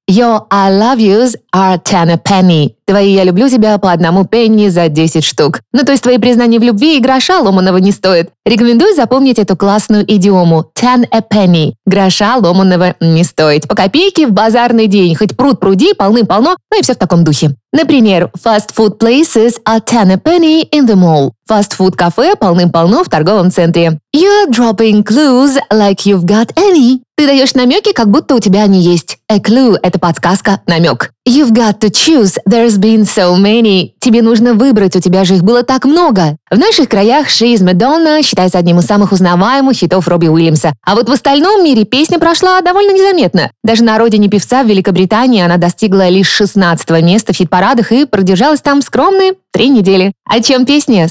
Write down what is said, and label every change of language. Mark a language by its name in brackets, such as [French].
[English] Your I love yous are ten a penny. [Russian] Твои «я люблю тебя» по одному пенни за 10 штук. Ну, то есть твои признания в любви и гроша ломаного не стоят. Рекомендую запомнить эту классную идиому. [English] Ten a penny. [Russian] Гроша ломаного не стоит. По копейке в базарный день. Хоть пруд пруди, полным-полно, ну и все в таком духе. [English] Например, fast food places are ten a penny in the mall. [Russian] Fast food кафе полным-полно в торговом центре. [English] You're dropping clues like you've got any. [Russian] Ты даешь намеки, как будто у тебя они есть. A clue – это подсказка, намек. [English] You've got to choose, there's been so many. [Russian] Тебе нужно выбрать, у тебя же их было так много. В наших краях She's Madonna считается одним из самых узнаваемых хитов Робби Уильямса. А вот в остальном мире песня прошла довольно незаметно. Даже на родине певца в Великобритании она достигла лишь 16-го места в хит-парадах и продержалась там скромные 3 недели. О чем песня?